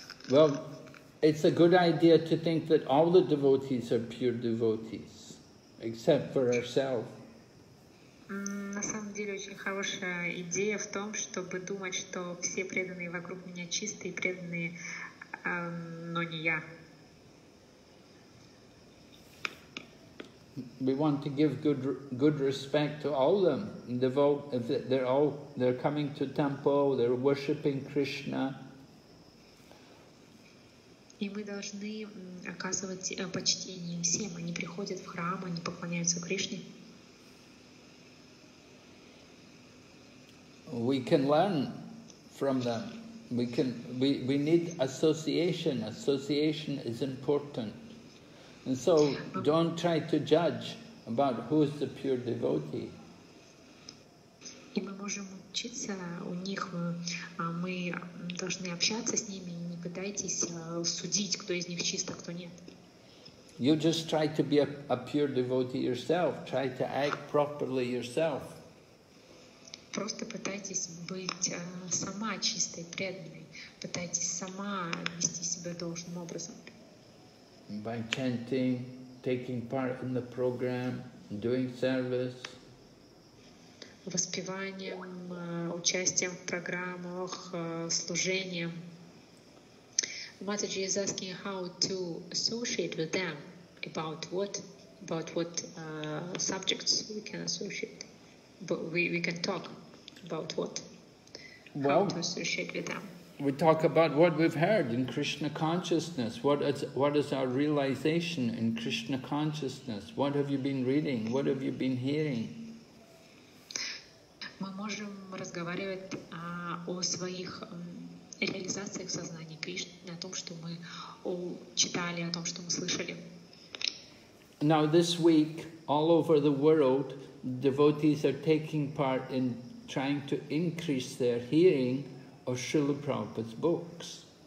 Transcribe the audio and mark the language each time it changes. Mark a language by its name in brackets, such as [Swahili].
[English] Well, it's a good idea to think that all the devotees are pure devotees. except for herself. [Russian] На самом деле очень хорошая идея в том, чтобы думать, что все преданные вокруг меня чистые, преданные, но не я. [English] We want to give good respect to all them. They're coming to temple. They're worshiping Krishna. [Russian] И мы должны оказывать почтение всем. Они приходят в храм, они поклоняются Кришне. [English] We can learn from them. We need association. Association is important. And so, don't try to judge about who is the pure devotee. [Russian] И мы можем учиться у них. Мы должны общаться с ними. Не пытайтесь судить, кто из них чист, а кто нет. [English] You just try to be a pure devotee yourself. Try to act properly yourself. [Russian] Просто пытайтесь быть сама чистой, преданной. Пытайтесь сама вести себя должным образом. [English] By chanting, taking part in the program, doing service. [Russian] Воспеванием, участием в программах, служением. [English] Mataji is asking how to associate with them. About what subjects we can associate. But we can talk about what. Well, how to associate with them. We talk about what we've heard in Krishna consciousness. What is our realization in Krishna consciousness? What have you been reading? What have you been hearing? [Russian] Мы можем разговаривать о своих реализациях сознания Кришны, о том, что мы читали, о том, что мы слышали. [English] Now this week, all over the world, devotees are taking part in trying to increase their hearing of Srila Prabhupada's books.